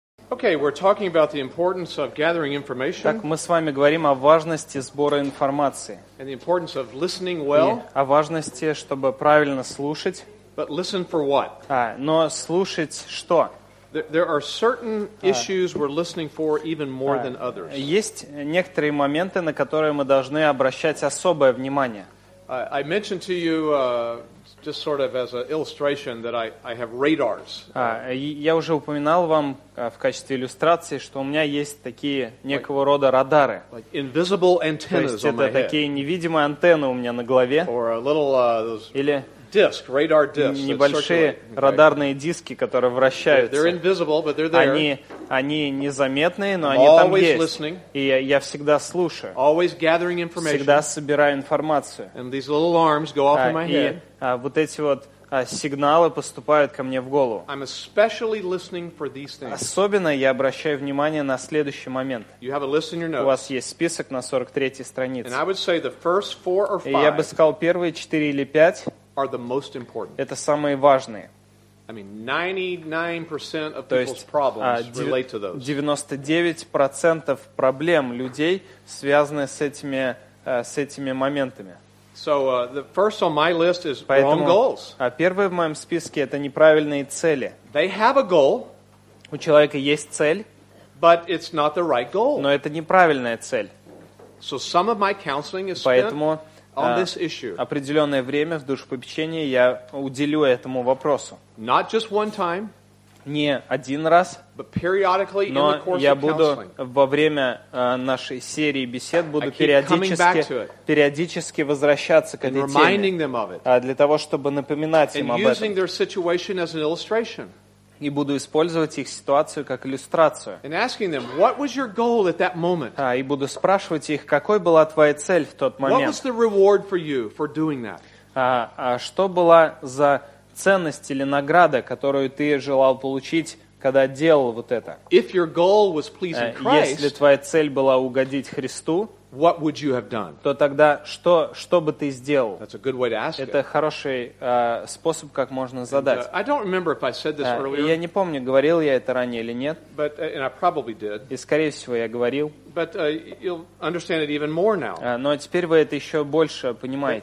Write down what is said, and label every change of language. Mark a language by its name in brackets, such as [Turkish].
[English] Okay, we're talking about the importance of gathering information. [Russian] Так мы с вами говорим о важности сбора информации. [English] And the importance of listening well. [Russian] О важности, чтобы правильно слушать. [English] But listen for what? [Russian] Но слушать что? [English] There are certain issues we're listening for even more than others. [Russian] Есть некоторые моменты, на которые мы должны обращать особое внимание. [English] I mentioned to you just sort of as an illustration that I have radars. [Russian] Я уже упоминал вам в качестве иллюстрации, что у меня есть такие некого рода радары. [English] Like invisible antennas. [Russian] То есть это такие невидимые антенны у меня на голове. [English] Or a little или disc, radar disc, [Russian] небольшие радарные диски, которые вращаются. [English] They're invisible, but they're there. [Russian] Они незаметные, но они там есть. [English] Listening. [Russian] И я всегда слушаю. [English] Always gathering information. [Russian] Всегда собираю информацию. [English] And these little alarms go off in my head. [Russian] И вот эти вот сигналы поступают ко мне в голову. [English] I'm especially listening for these things. [Russian] Особенно я обращаю внимание на следующий момент. [English] You have a list in your notes. [Russian] У вас есть список на 43-й странице. [English] And I would say the first four or five. [Russian] И я бы сказал первые 4 или 5. [English] Are the most important. [Russian] Это самые важные. [English] I mean, 99% of people's problems relate to those. [Russian] 99% проблем людей связаны с этими моментами. [English] So the first on my list is wrong goals. [Russian] А первое в моем списке это неправильные цели. [English] They have a goal. [Russian] У человека есть цель. [English] But it's not the right goal. [Russian] Но это неправильная цель. [English] So some of my counseling is spent. [Russian] Определенное время в душепопечении я уделю этому вопросу. [English] Not just one time, [Russian] не один раз, [English] but periodically [Russian] но [English] in the course [Russian] я буду во время нашей серии бесед буду периодически возвращаться к этой теме для того, чтобы напоминать им об этом. [English] Their situation as an illustration. [Russian] И буду использовать их ситуацию как иллюстрацию. [English] And asking them, what was your goal at that moment? [Russian] И буду спрашивать их, какой была твоя цель в тот момент? [English] What was the reward for you for doing that? [Russian] Что была за ценность или награда, которую ты желал получить, когда делал вот это? [English] If your goal was pleasing Christ, [Russian] если твоя цель была угодить Христу, [English] what would you have done? [Russian] То тогда что бы ты сделал? [English] That's a good way to ask. [Russian] Это хороший способ, как можно задать. [English] And, I don't remember if I said this earlier. [Russian] Я не помню, говорил я это ранее или нет. [English] But and I probably did. [Russian] И скорее всего я говорил. [English] But you'll understand it even more now. [Russian] Но теперь вы это еще больше понимаете.